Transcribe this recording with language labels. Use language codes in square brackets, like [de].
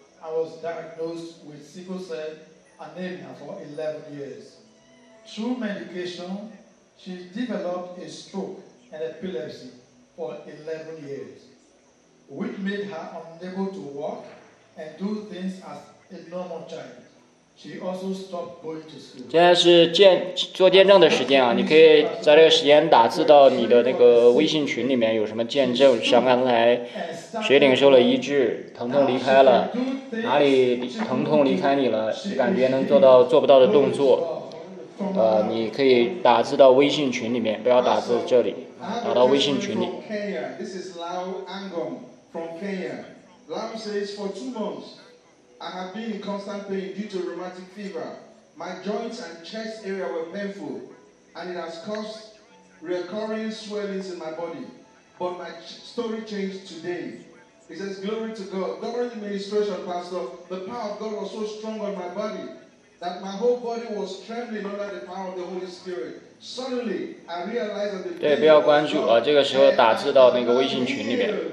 [en] I was diagnosed with sickle cell anemia for 11 years. Through medication, she developed a stroke and epilepsy for 11 years, which made her unable to walk and do things as a normal child. She also stopped going to school. [zh] 现在是做见证的时间啊，你可以在这个时间打字到你的那个微信群里面，有什么见证，像刚才谁领受了医治，疼痛离开了，哪里疼痛离开你了，你感觉能做到做不到的动作，你可以打字到微信群里面，不要打字这里，打到微信群里。 [en] This is Lau Angong from Kenya. Lau says, for 2 months, I have been in constant pain due to rheumatic fever. My joints and chest area were painful, and it has caused recurring swellings in my body. But my story changed today. He says, glory to God. During the ministration, Pastor, the power of God was so strong on my body that my whole body was trembling under the power of the Holy Spirit. Suddenly, I realized that the pain was gone. [zh] 对，不要关注啊，这个时候打字到那个微信群里面。